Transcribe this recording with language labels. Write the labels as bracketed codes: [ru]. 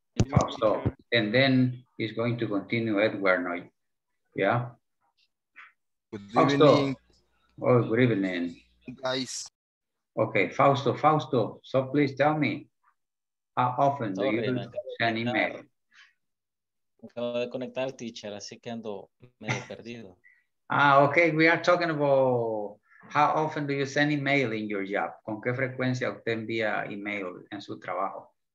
[en] Fausto, and then he's going to continue Edward now. Yeah? Good evening, guys. Okay, Fausto, so please tell me, how often do you send email? [es] Acabo de conectar, teacher, así que ando medio perdido. [en] Ah, okay. We are talking about how often do you send email in your job? [es] ¿Con qué frecuencia usted envía email en su trabajo?